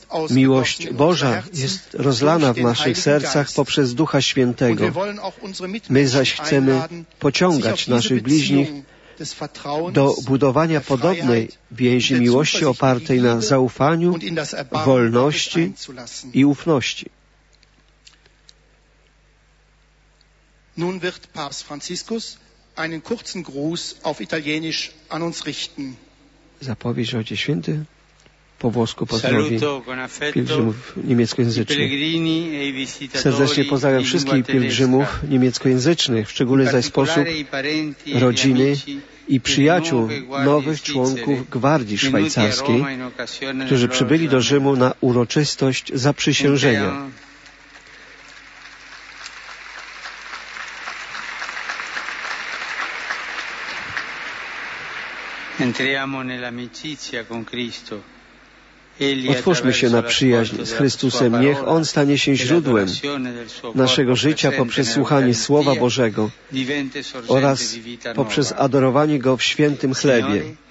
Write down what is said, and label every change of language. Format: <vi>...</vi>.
<pl>Miłość Boża jest rozlana w naszych sercach poprzez Ducha Świętego. My zaś chcemy pociągać naszych bliźnich do budowania podobnej więzi miłości opartej na zaufaniu, wolności i ufności.</pl> <de>Nun wird Papst Franziskus einen kurzen Gruß auf Italienisch an uns richten.</de> <pl>Zapowiedź Ojcze Święty po włosku pozdrowi pielgrzymów niemieckojęzycznych. Serdecznie pozdrawiam wszystkich pielgrzymów niemieckojęzycznych, w szczególny zaś sposób rodziny i przyjaciół nowych członków Gwardii Szwajcarskiej, którzy przybyli do Rzymu na uroczystość zaprzysiężenia.</pl> <it>Entriamo nell'amicizia con Cristo.</it> <pl>Otwórzmy się na przyjaźń z Chrystusem. Niech On stanie się źródłem naszego życia poprzez słuchanie Słowa Bożego oraz poprzez adorowanie Go w świętym chlebie.</pl>